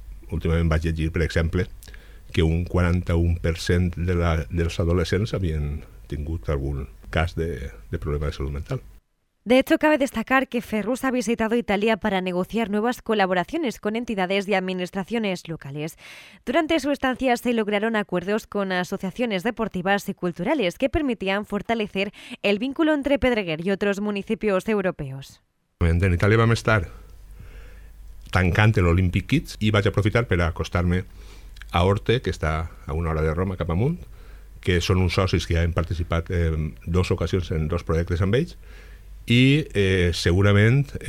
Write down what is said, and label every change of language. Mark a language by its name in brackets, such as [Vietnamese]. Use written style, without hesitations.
[Catalan] Últimament vaig llegir, per exemple, que un 41% dels adolescents havien tingut algun cas de problema de salut mental. [Spanish] De hecho, cabe destacar que Ferrús ha visitado Italia para negociar nuevas colaboraciones con entidades y administraciones locales. Durante su estancia se lograron acuerdos con asociaciones deportivas y culturales que permitían fortalecer el vínculo entre Pedreguer y otros municipios europeos. [Catalan] En Italia vam estar tancant l'Olympic Kids i vaig aprofitar per acostar-me a Orte, que està a una hora de Roma cap amunt, que són uns socis que han participat en dues ocasions en dos projectes amb ells, i segurament